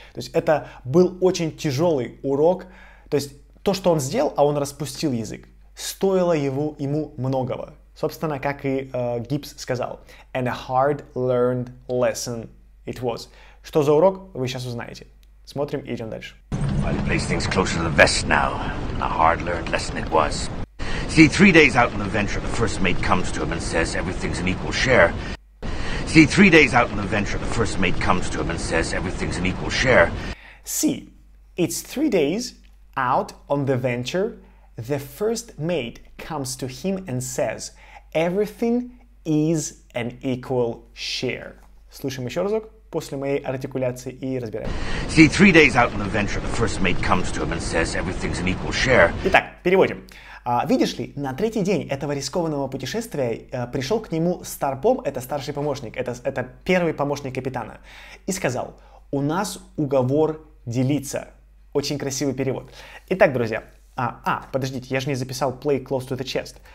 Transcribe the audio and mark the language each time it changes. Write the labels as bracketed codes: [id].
[ru] То есть это был очень тяжелый урок, то есть то, что он сделал, а он распустил язык, стоило ему многого. Собственно, как и Гибс сказал. [en] And a hard-learned lesson it was. [ru] Что за урок, вы сейчас узнаете. Смотрим и идем дальше. [en] Well, he placed things closer to the vest now. And a hard-learned lesson it was. See, 3 days out on the venture, the first mate comes to him and says, everything's an equal share. See, 3 days out on the venture, the first mate comes to him and says, everything's an equal share. See, it's 3 days... Out on the venture, the first mate comes to him and says, everything is an equal share. [ru] Слушаем еще разок после моей артикуляции и разбираем. [en] See, 3 days out on the venture, the first mate comes to him and says, everything's an equal share. [ru] Итак, переводим. Видишь ли, на третий день этого рискованного путешествия пришел к нему старпом, это старший помощник, это первый помощник капитана, и сказал, у нас уговор делиться. Очень красивый перевод. Итак, друзья. Подождите, я же не записал [en] play close to the chest.